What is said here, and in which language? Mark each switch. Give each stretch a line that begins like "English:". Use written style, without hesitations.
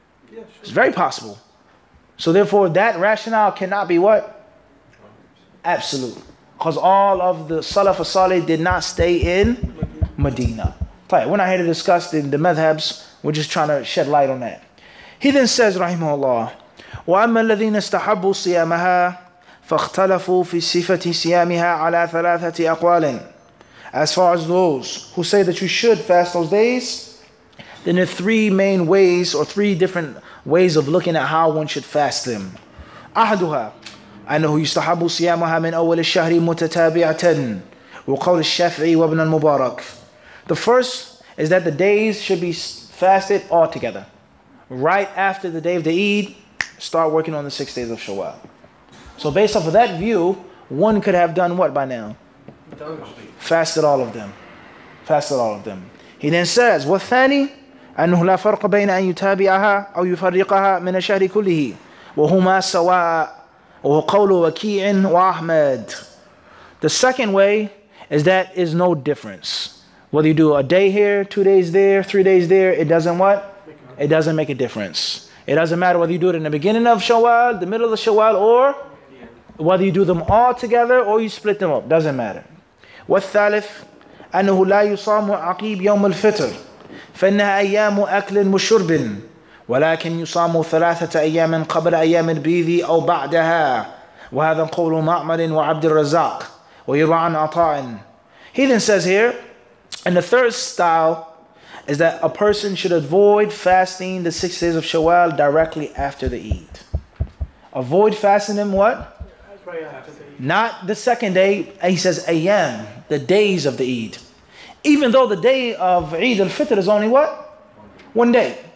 English: Yeah, sure. It's very possible. So therefore, that rationale cannot be what? Absolute. Because all of the Salaf as-Salih did not stay in Medina. We're not here to discuss the madhabs. We're just trying to shed light on that. He then says,
Arabic: rahimahullah, وَأَمَّا الَّذِينَ اسْتَحَبُّوا صِيَامَهَا فَاخْتَلَفُوا فِي صِفَةِ صِيَامِهَا عَلَىٰ ثَلَاثَةِ أَقْوَالٍ.
English: As far as those who say that you should fast those days, then there are three main ways or three different ways of looking at how one should fast them.
Arabic: أحدها أنه يستحب صيامها من أول الشهر متتابعة وقول الشافعي وابن المبارك.
English: The first is that the days should be fasted altogether. Right after the day of the Eid, start working on the 6 days of Shawwal. So based off of that view, one could have done what by now? Fasted all of them. Fasted all of them. He then says,
Arabic: وَالثَّانِي أَنُّهُ لَا فَرْقَ بَيْنَ أَنْ يُتَابِعَهَا أَوْ يُفَرِّقَهَا مِنَ الشَّهْرِ كُلِّهِ وَهُمَا سَوَاءَ وَقَوْلُ وَكِيعٍ وَأَحْمَدٍ.
English: The second way is that is no difference. Whether you do a day here, 2 days there, 3 days there, it doesn't what? It doesn't make a difference. It doesn't matter whether you do it in the beginning of Shawwal, the middle of Shawwal, or whether you do them all together or you split them up, doesn't matter.
Arabic: والثالث أنه لا يصام عقيب يوم الفطر فإنها أيام أكل وشرب ولكن يصام ثلاثة أيام قبل أيام البيض أو بعدها وهذا قول معمر وعبد الرزاق ويروى عن عطاء.
English: He then says here, and the third style is that a person should avoid fasting the 6 days of Shawwal directly after the Eid. Avoid fasting them what? Not the second day. He says ayyam, the days of the Eid. Even though the day of Eid al-Fitr is only what? 1 day.